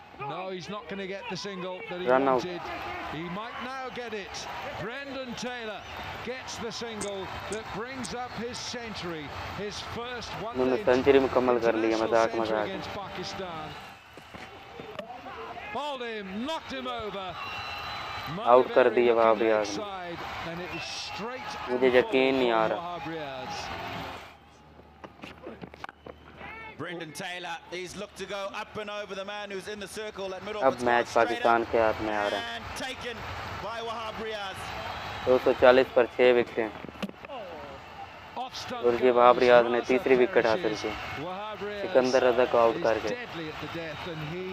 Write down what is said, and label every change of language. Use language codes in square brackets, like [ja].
[en] No, he's not going to get the single that he Run wanted. Out. He might now get it. Brendan Taylor gets the single that brings up his century, his first one-day [hi] century. Mukammal kar liya, mazak mazak. [en] pulled him, knocked him over. [hi] Out कर दिए वहाब्रियाज ने, मुझे यकीन नहीं आ रहा। [en] Brendan Taylor, he's looked to go up and over the man who's in the circle at middle. [hi] अब match Pakistan के हाथ में आ रहा है। [en] Taken by Wahab Riaz. [hi] 240 पर 6 विकेट। और ये वहाब रियाज ने तीसरी विकेट हासिल की। सिकंदर रजा को आउट कर गए।